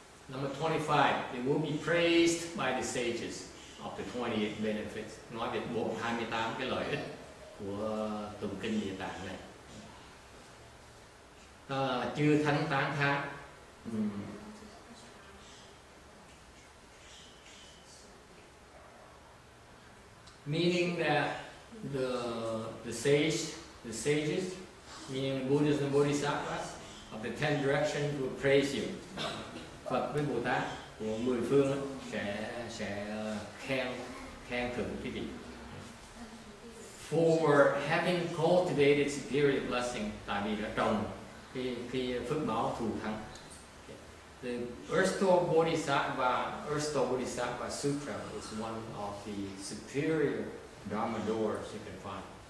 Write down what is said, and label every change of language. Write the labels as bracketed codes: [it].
[en] Number 25, they will be praised by the sages of the 28 benefits. [vi] Nói về bộ 28 cái lợi ích của tụng kinh Địa Tạng này. Chư thánh tán thán. [en] Meaning that the sages, meaning Buddhas and Bodhisattvas of the 10 directions will praise you. [vi] Phật với Bồ Tát của mười phương sẽ khen thưởng quý vị. [en] For having cultivated superior blessing, [vi] tại vì đã trồng cái phước báo thù thắng. [en] The Erstwhal Bodhisattva Sutra is one of the superior Dharma doors you can find.